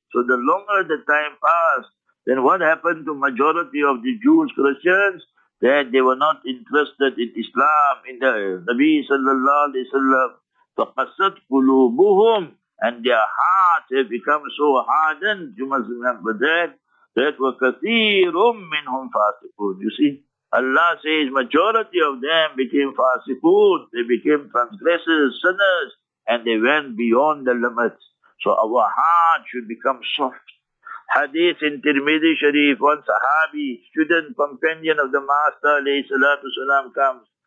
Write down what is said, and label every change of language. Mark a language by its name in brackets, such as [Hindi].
[English] So the longer the time passed, then what happened to majority of the Jews, Christians? That they were not interested in Islam, in the Nabi sallallahu alayhi wa sallam. [Arabic] فَقَسَتْ قُلُوبُهُمْ. [English] And their hearts have become so hardened. You must remember that. That [Arabic] وَكَثِيرٌ مِّنْهُمْ فَاسِقُونَ. [English] You see, Allah says majority of them became fasiqun. They became transgressors, sinners. And they went beyond the limits. So our heart should become soft. Hadith in Tirmidhi Sharif, one sahabi, student, companion of the Master, alayhi salatu salam, comes.